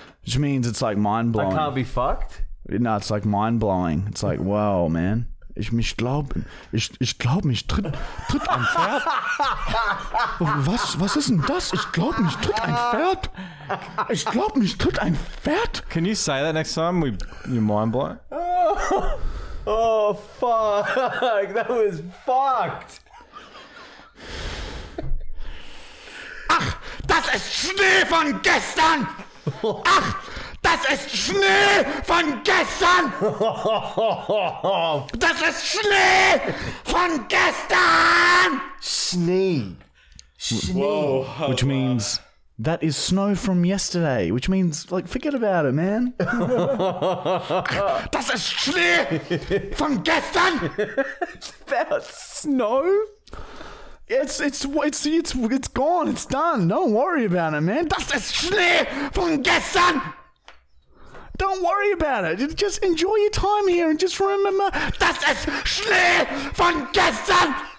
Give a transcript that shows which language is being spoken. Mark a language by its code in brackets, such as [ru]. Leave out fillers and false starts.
[en] Which means, it's like mind-blowing. I can't be fucked? No, it's like mind-blowing. It's like, wow, man. [de] Ich glaub, mich tritt ein Pferd. Was ist denn das? Ich glaub, mich tritt ein Pferd. Ich glaub, mich tritt ein Pferd. [en] Can you say that next time? You mind blow? Oh, fuck. That was fucked. [de] Das ist Schnee von gestern! Ach, das ist Schnee von gestern! Das ist Schnee von gestern! Schnee. Schnee. [en] Whoa. Which means... That is snow from yesterday, which means, like, forget about it, man. [de] Das ist Schnee von gestern. [en] About snow? It's gone. It's done. Don't worry about it, man. [de] Das ist Schnee von gestern. [en] Don't worry about it. Just enjoy your time here and just remember. [de] Das ist Schnee von gestern.